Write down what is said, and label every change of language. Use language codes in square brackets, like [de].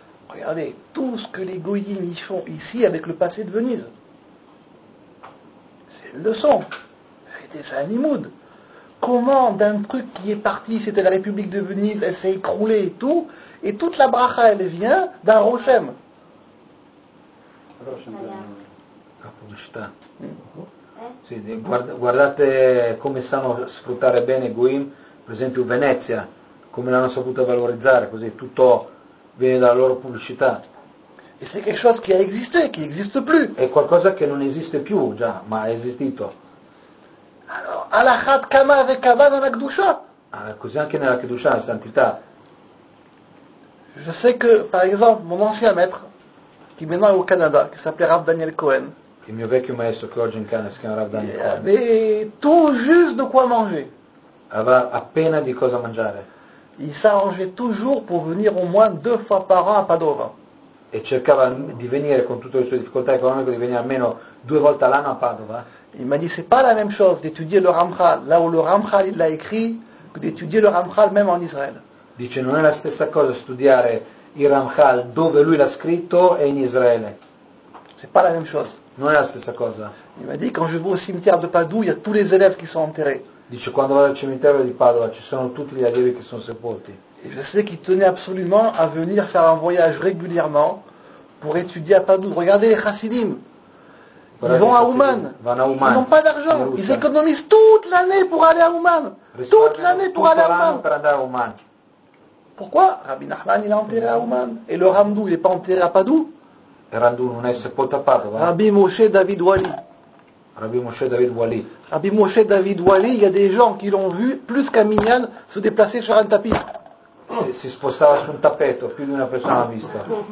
[fr] Regardez, tout ce que les Goyim y font ici avec le passé de Venise. Leçon, c'est un limoud. Comment d'un truc qui est parti, c'était la République de Venise, elle s'est écroulée et tout, et toute la bracha, elle vient d'un rochem. [it] La pubblicità. Sì, guardate come sanno sfruttare bene Goim, per esempio Venezia, come l'hanno saputo valorizzare, così tutto viene dalla loro pubblicità. E c'è qualcosa che ha esistito, che esiste più. È qualcosa che non esiste più, già, ma è esistito. Allora, [he] alachat kama ve kama [it] non ha kedusha. Così anche nella kedusha, la santità, [fr] Je sais que, par exemple, mon ancien maître, qui maintenant est au Canada, qui s'appelait Rav Daniel Cohen. [it] Il mio vecchio maestro che oggi in Canada si chiama Rav Daniel Cohen. [fr] Avait tout juste de quoi manger. [it] Aveva appena di cosa mangiare. [fr] Il s'arrangeait toujours pour venir au moins deux fois par an à Padova. [it] E cercava di venire con tutte le sue difficoltà economiche di venire almeno due volte all'anno a Padova. [fr] Il m'a dit c'est pas la même chose d'étudier le Ramchal là où le Ramchal il l'a écrit que d'étudier le Ramchal même en Israël. [it] Dice non è la stessa cosa studiare il Ramchal dove lui l'ha scritto e in Israele. [fr] C'est pas la même chose. [it] Non è la stessa cosa. [fr] Il m'a dit quand je vais au cimetière de Padoue il y a tous les élèves qui sont enterrés. [it] Dice quando vado al cimitero di Padova ci sono tutti gli allievi che sono sepolti. [fr] Et je sais qu'il tenait absolument à venir faire un voyage régulièrement pour étudier à Padoue. Regardez les Hassidim. Ils vont à Ouman. Ils n'ont pas d'argent. Ils économisent toute l'année pour aller à Ouman. Toute l'année pour aller à Ouman. Pourquoi? Rabbi Nachman, il est enterré à Ouman. Et le Ramdou, il n'est pas enterré à Padoue. [it] Ramdou, non est sepolto à Padova. Rabbi Moshe David Wali. Rabbi Moshe David Wali. [fr] Rabbi Moshe David Wali, il y a des gens qui l'ont vu plus qu'à Minyan se déplacer sur un tapis. [it] Si spostava su un tappeto, più di una persona l'ha vista.